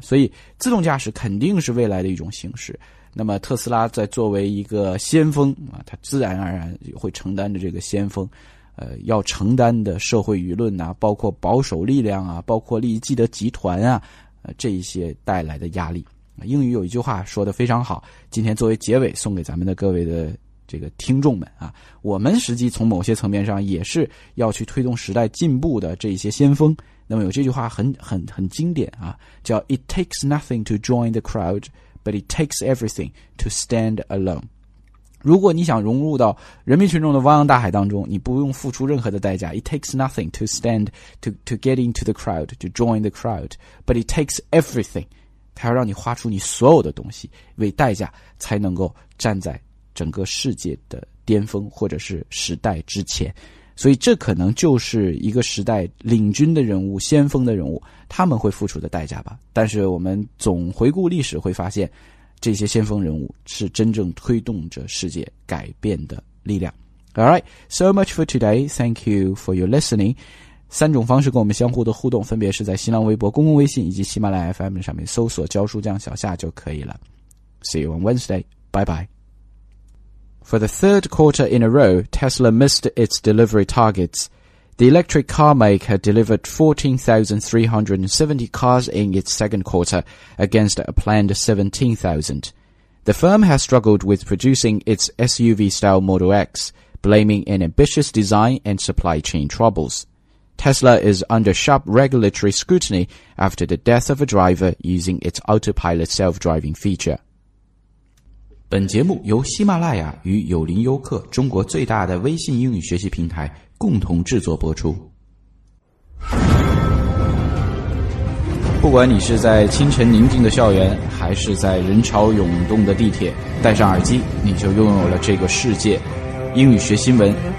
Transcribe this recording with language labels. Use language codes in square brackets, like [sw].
[zh] 所以自动驾驶肯定是未来的一种形式。那么特斯拉在作为一个先锋啊，它自然而然会承担着这个先锋，要承担的社会舆论啊，包括保守力量啊，包括利益既得集团啊，这一些带来的压力。英语有一句话说得非常好，今天作为结尾送给咱们的各位的这个听众们啊，我们实际从某些层面上也是要去推动时代进步的这一些先锋。那么有这句话很经典啊，叫 [en] "It takes nothing to join the crowd"。 But it takes everything to stand alone。 [zh] 如果你想融入到人民群众的汪洋大海当中，你不用付出任何的代价。 [en] It takes nothing to stand to get into the crowd, to join the crowd, but it takes everything。 [zh] 它要让你花出你所有的东西为代价，才能够站在整个世界的巅峰或者是时代之前。所以这可能就是一个时代领军的人物、先锋的人物他们会付出的代价吧。但是我们总回顾历史会发现，这些先锋人物是真正推动着世界改变的力量。 [en] Alright, so much for today. Thank you for your listening. [zh] 三种方式跟我们相互的互动，分别是在新浪微博、公共微信以及喜马拉雅 FM 上面搜索教书匠小夏就可以了。 [en] See you on Wednesday. Bye bye. For the third quarter in a row, Tesla missed its delivery targets. The electric car maker delivered 14,370 cars in its second quarter against a planned 17,000. The firm has struggled with producing its SUV-style Model X, blaming an ambitious design and supply chain troubles. Tesla is under sharp regulatory scrutiny after the death of a driver using its autopilot self-driving feature. [zh] 本节目由喜马拉雅与有林优客中国最大的微信英语学习平台共同制作播出。不管你是在清晨宁静的校园，还是在人潮涌动的地铁，戴上耳机，你就拥有了这个世界。英语学新闻，